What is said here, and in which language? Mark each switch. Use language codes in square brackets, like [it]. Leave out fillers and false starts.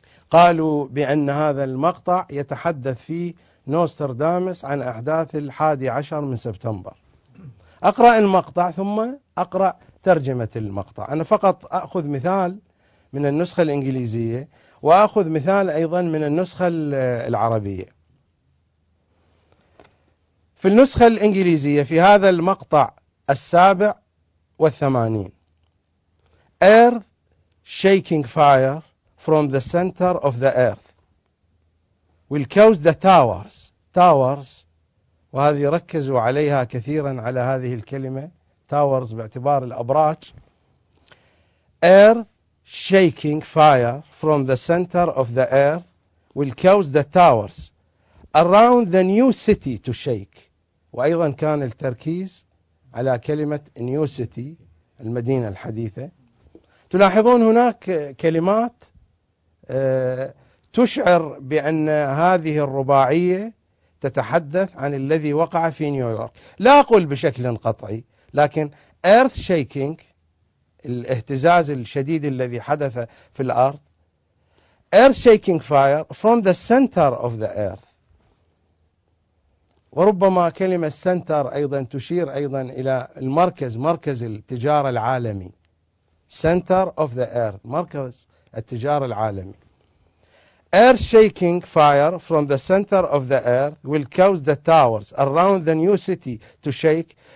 [ar] قالوا بأن هذا المقطع يتحدث فيه نوستردامس عن أحداث 11 سبتمبر. أقرأ المقطع ثم أقرأ ترجمة المقطع. أنا فقط أخذ مثال من النسخة الإنجليزية، وأخذ مثال أيضا من النسخة العربية. في النسخة الإنجليزية في هذا المقطع 87، [en] Earth shaking fire from the center of the earth will cause the towers. [ar] Towers، وهذه ركزوا عليها كثيرا على هذه الكلمة towers باعتبار الأبراج. [en] Earth shaking fire from the center of the earth will cause the towers around the new city to shake. [ar] وأيضا كان التركيز على كلمة [en] new city، [ar] المدينة الحديثة. تلاحظون هناك كلمات تشعر بأن هذه الرباعية تتحدث عن الذي وقع في نيويورك، لا أقول بشكل قطعي، لكن [en] earth shaking [ar] الاهتزاز الشديد الذي حدث في الأرض، [en] earth shaking fire from the center of the earth. [ar] وربما كلمة center أيضا تشير أيضا إلى المركز، مركز التجارة العالمي، [en] center of the earth، [ar] مركز التجارة العالمي. [en] Earth shaking fire from the center of the earth will cause the towers around the new city to shake.